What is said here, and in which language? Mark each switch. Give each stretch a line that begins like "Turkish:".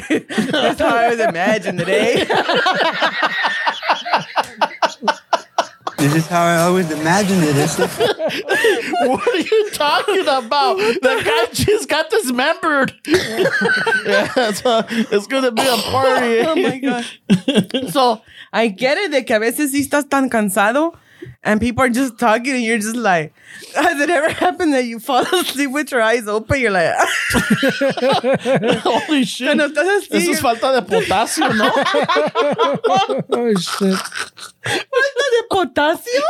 English: That's how I was imagining today. This is how I always imagined it. Like, what are you talking about? The guy just got dismembered. Yeah, so it's going to be a party. Oh, my God. So I get it.
Spanish: De que a veces sí estás tan cansado.
English: and people are just talking and you're just like, has it ever happened that you fall asleep with your eyes open? You're like, holy shit.
Spanish: Eso es falta de potasio, ¿no?
English: Holy shit.
Spanish: Falta de potasio?